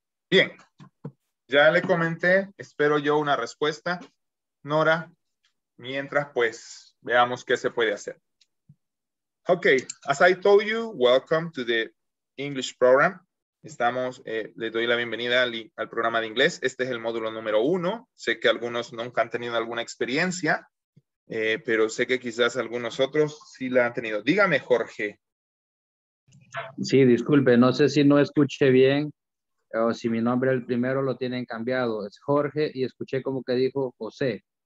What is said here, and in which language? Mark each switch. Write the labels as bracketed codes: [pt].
[es] Bien, ya le comenté, espero yo una respuesta, Nora, mientras pues veamos qué se puede hacer. [en] Okay, as I told you, welcome to the English program. [es] Estamos, le doy la bienvenida al programa de inglés. Este es el módulo número 1. Sé que algunos nunca han tenido alguna experiencia, pero sé que quizás algunos otros sí la han tenido. Dígame, Jorge. Sí, disculpe, no sé si no escuché bien. O si mi nombre el primero lo tienen cambiado, es Jorge, y escuché como que dijo José.